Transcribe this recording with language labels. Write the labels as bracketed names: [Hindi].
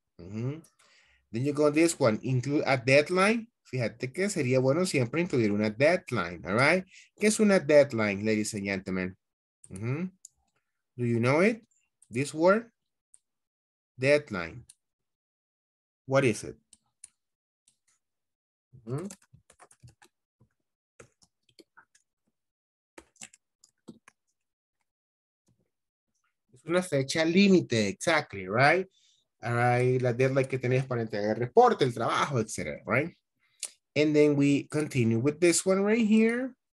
[English] Then you go on this one, include a deadline. [Spanish] Fíjate que sería bueno siempre incluir una deadline, all right? ¿Qué es una deadline, [English] ladies and gentlemen? Do you know it? This word, deadline. What is it? [Spanish] Es una fecha límite, exactly, right? All right, la deadline que tenés para entregar el reporte, el trabajo, etc. [English] Right? And then we continue with this one right here.